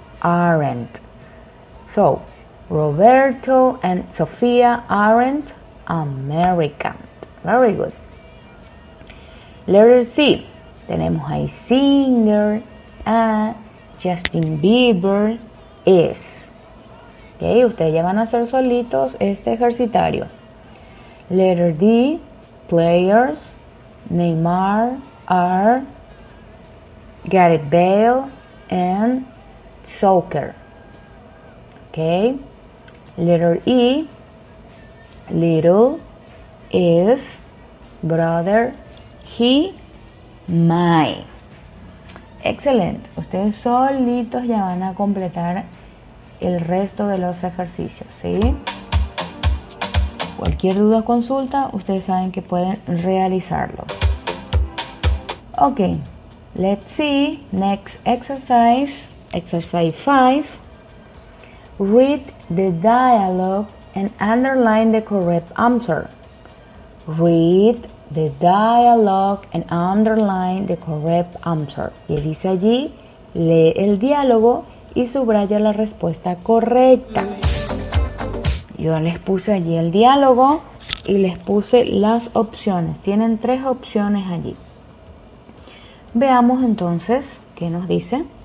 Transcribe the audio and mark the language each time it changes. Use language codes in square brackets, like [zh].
[en] Aren't. So, Roberto and Sofía aren't American. Very good. Letter C. Tenemos a singer, a Justin Bieber, is. [es] Ok, ustedes ya van a hacer solitos este ejercitario. [en] Letter D, players, Neymar, are, Gareth Bale, and soccer. Ok, letter E, little, is, brother, he, my. Excelente. [es] Ustedes solitos ya van a completar el resto de los ejercicios, ¿sí? Cualquier duda o consulta, ustedes saben que pueden realizarlo. [en] Ok, let's see. Next exercise. Exercise 5. Read the dialogue and underline the correct answer. Read the dialogue and underline the correct answer. [es] Y dice allí, lee el diálogo y subraya la respuesta correcta. Yo les puse allí el diálogo y les puse las opciones. Tienen tres opciones allí. Veamos entonces qué nos dice.